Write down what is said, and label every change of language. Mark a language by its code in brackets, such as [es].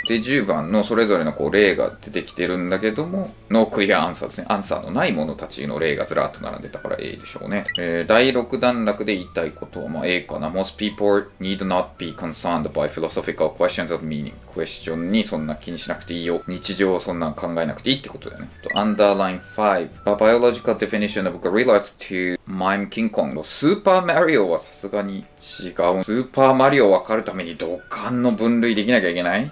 [ja] で、10番のそれぞれのこう例が出てきてるんだけども、のクリアアンサーですね。アンサーのないものたちの例がずらっと並んでたから A でしょうね。第6段落で言いたいことは、まあ、A かな。 [en] most people need not be concerned by philosophical questions of meaning。 [ja] クエスチョンにそんな気にしなくていいよ。日常をそんな考えなくていいってことだよね。 [en] と、underline 5。A biological definition of gorillas to mime King Kong。 [ja] スーパーマリオはさすがに違う。スーパーマリオわかるために土管の分類できなきゃいけない？